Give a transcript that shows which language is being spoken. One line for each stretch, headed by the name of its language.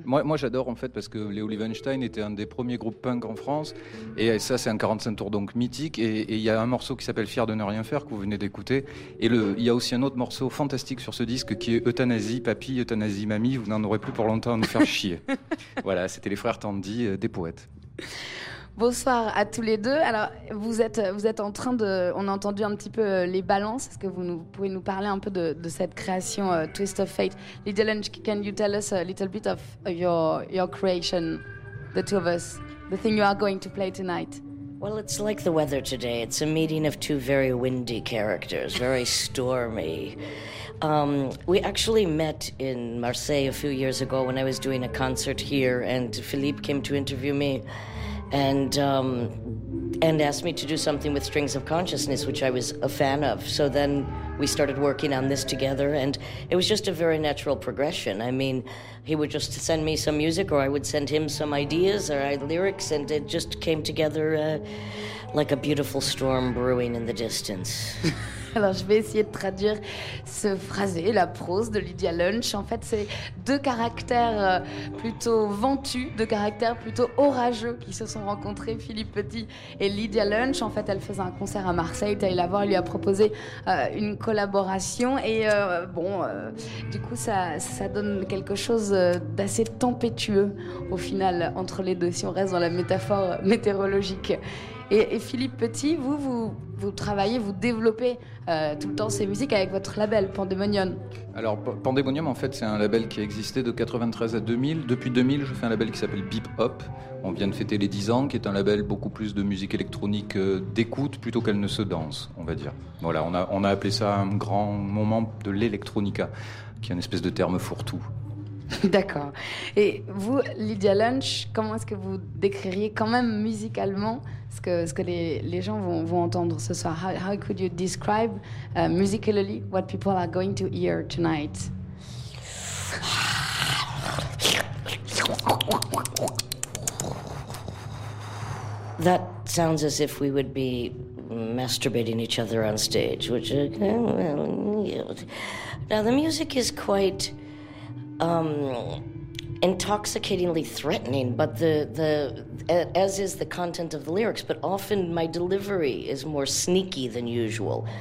French: Moi j'adore en fait parce que les Olivenstein étaient un des premiers groupes punk en France et ça c'est un 45 tours donc mythique et il y a un morceau qui s'appelle Fier de ne rien faire que vous venez d'écouter et il y a aussi un autre morceau fantastique sur ce disque qui est Euthanasie papy, Euthanasie mamie, vous n'en aurez plus pour longtemps à nous faire chier. Voilà, c'était les frères Tandy, des poètes. Bonsoir à tous les deux. Alors, vous êtes en train de... On a entendu un petit peu les balances. Est-ce que vous pouvez nous parler un peu de cette création Twist of Fate?
English: Lydia Lunch, can you tell us a little bit of your creation, the two of us, the thing you are going to play tonight? Well, it's like the weather today. It's a meeting of two very windy characters, very stormy. We actually met in Marseille a few years ago when I was doing a concert here and Philippe came to interview me. And asked me to do something with Strings of Consciousness, which I was a fan of. So then we started working on this together, and it was just a very natural progression. I mean, he would just send me some music, or I would send him some ideas or lyrics, and it just came together like a beautiful storm brewing in the distance.
French: Alors, je vais essayer de traduire ce phrasé, la prose de Lydia Lunch. En fait, c'est deux caractères plutôt ventus, deux caractères plutôt orageux qui se sont rencontrés, Philippe Petit et Lydia Lunch. En fait, elle faisait un concert à Marseille, Taïla Voir lui a proposé une collaboration. Et du coup, ça donne quelque chose d'assez tempétueux, au final, entre les deux, si on reste dans la métaphore météorologique. Et Philippe Petit, vous travaillez, vous développez tout le temps ces musiques avec votre label Pandemonium. Alors Pandemonium, en fait, c'est un label qui a existé de 93 à 2000. Depuis 2000, je fais un label qui s'appelle Beep Hop. On vient de fêter les 10 ans, qui est un label beaucoup plus de musique électronique d'écoute plutôt qu'elle ne se danse, on va dire. Voilà, on a appelé ça un grand moment de l'électronica, qui est une espèce de terme fourre-tout. D'accord. Et vous, Lydia Lunch, comment est-ce que vous décririez quand même musicalement ce que les gens vont entendre ce soir?
English: How could you describe musically what people are going to hear tonight? That sounds as if we would be masturbating each other on stage, which now the music is quite intoxicatingly threatening, but as is the content of the lyrics, but often my delivery is more sneaky than usual.